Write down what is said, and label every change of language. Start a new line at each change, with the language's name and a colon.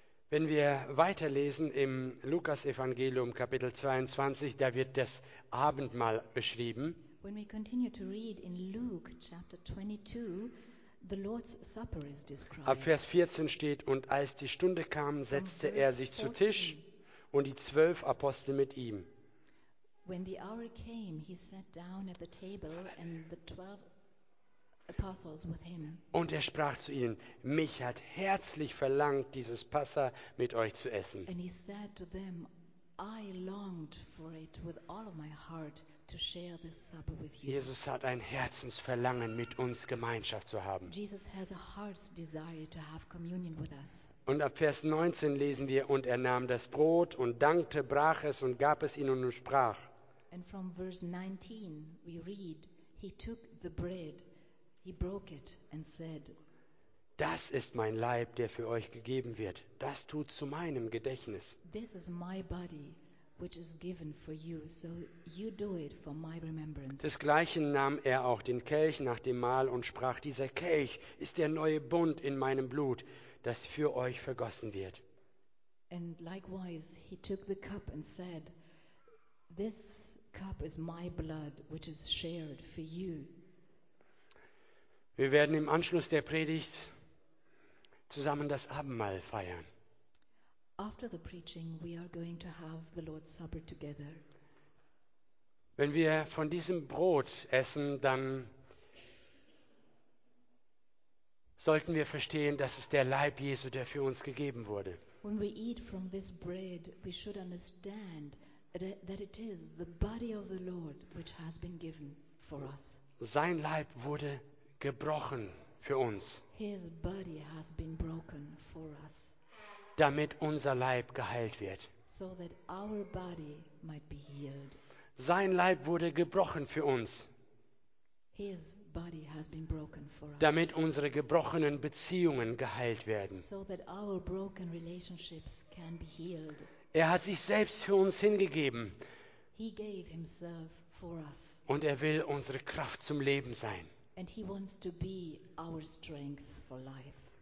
German: Wenn wir weiterlesen im Lukas-Evangelium Kapitel 22, da wird das Abendmahl beschrieben.
English: When we continue to read in Luke chapter 22, the Lord's Supper is described.
German: Ab Vers 14 steht, und als die Stunde kam, setzte er sich zu Tisch und die 12 Apostel mit ihm.
English: When the hour came, he sat down at the table and the 12 apostles with him.
German: Und er sprach zu ihnen, mich hat herzlich verlangt, dieses Passa mit euch zu essen.
English: And he said to them, I longed for it with all of my heart to share this supper with you.
German: Jesus hat ein Herzensverlangen, mit uns Gemeinschaft zu haben.
English: Jesus has a heart's desire to have communion with us.
German: Und ab Vers 19 lesen wir, und er nahm das Brot und dankte, brach es und gab es ihnen und sprach.
English: And from verse 19 we read, he took the bread, he broke it and said,
German: das ist mein Leib, der für euch gegeben wird. Das tut zu meinem Gedächtnis.
English: This is my body, which is given for you, so you do it for my remembrance.
German: Desgleichen nahm er auch den Kelch nach dem Mahl und sprach, dieser Kelch ist der neue Bund in meinem Blut, das für euch vergossen wird.
English: And likewise he took the cup and said, this cup is my blood, which is shared for you.
German: Wir werden im Anschluss der Predigt zusammen das Abendmahl feiern.
English: After the preaching, we are going to have the Lord's Supper together.
German: Wenn wir von diesem Brot essen, dann sollten wir verstehen, dass es der Leib Jesu, der für uns gegeben wurde.
English: When we eat from this bread, we should understand that it is the body of the Lord which has been given for us.
German: Sein Leib wurde gebrochen für uns.
English: His body has been broken for us.
German: Damit unser Leib geheilt wird.
English: So that our body might be healed.
German: Sein Leib wurde gebrochen für uns.
English: His body has been broken for us.
German: Damit unsere gebrochenen Beziehungen geheilt werden.
English: So that our broken relationships can be healed.
German: Er hat sich selbst für uns hingegeben.
English: He gave himself for us.
German: Und er will unsere Kraft zum Leben sein.
English: And he wants to be our strength for life.